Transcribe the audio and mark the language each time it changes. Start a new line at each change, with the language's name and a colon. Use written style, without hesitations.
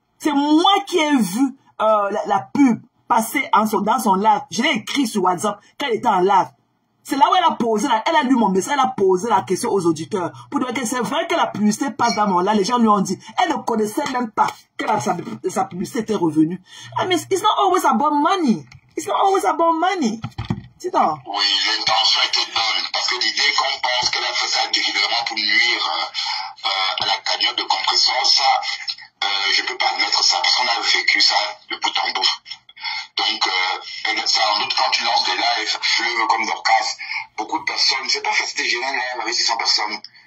French: C'est moi qui ai vu la pub passer dans son live. Je l'ai écrit sur WhatsApp quand elle était en live. C'est là où elle a posé, elle a lu mon message, elle a posé la question aux auditeurs pour dire que c'est vrai que la publicité passe dans mon là. Les gens lui ont dit, elle ne connaissait même pas que sa publicité était revenue.
English: Ah,
French: mais
English: it's not always about money. It's not always about money.
French: Dis donc. Oui, l'intention était bonne parce que l'idée qu'on pense qu'elle a fait ça délibérément pour nuire à la cagnotte de compression, ça, je ne peux pas admettre ça parce qu'on a vécu ça de bout en bout. Donc, ça, en outre, quand tu lances des lives, fleuve comme Dorcas, beaucoup de personnes, c'est pas facile de gérer un live avec 600 personnes.